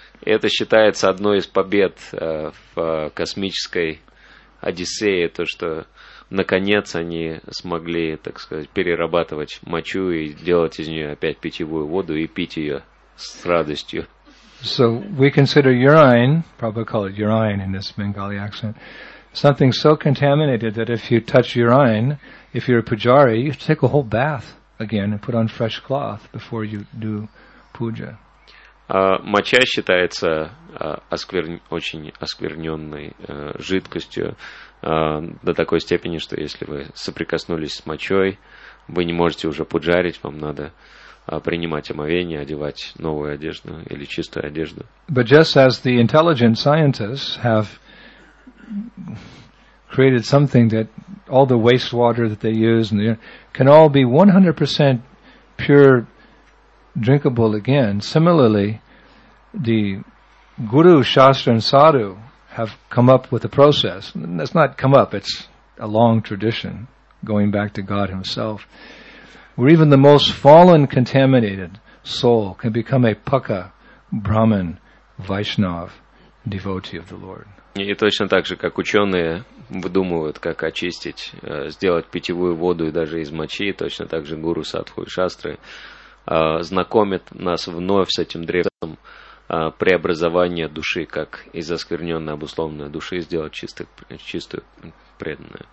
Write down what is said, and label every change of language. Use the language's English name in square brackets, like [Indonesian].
[Russian] это считается одной из побед в космической Одиссее, то, что наконец они смогли, так сказать, перерабатывать мочу и делать из нее опять питьевую воду и пить ее с радостью. [English] So we consider urine, probably call it urine in this Bengali accent, something so contaminated that if you touch urine, if you're a pujari, you have to take a whole bath again and put on fresh cloth before you do puja. [Russian] Моча считается очень оскверненной жидкостью до такой степени, что если вы соприкоснулись с мочой, вы не можете уже пуджарить, вам надо принимать омовение, одевать новую одежду или чистую одежду. [English] But just as the intelligent scientists have created something that all the wastewater that they use and the, can all be 100% pure drinkable again, similarly the guru, shastra, and sadhu have come up with a process. That's not come up, it's a long tradition going back to God himself. Where even the most fallen contaminated soul can become a pukka, brahman, vaishnav, devotee of the Lord. [Russian] И точно так же, как ученые выдумывают, как очистить, сделать питьевую воду и даже из мочи, точно так же гуру, садху и шастры знакомят нас вновь с этим древом преобразование души, как из оскверненной обусловленной души сделать чистую преданную.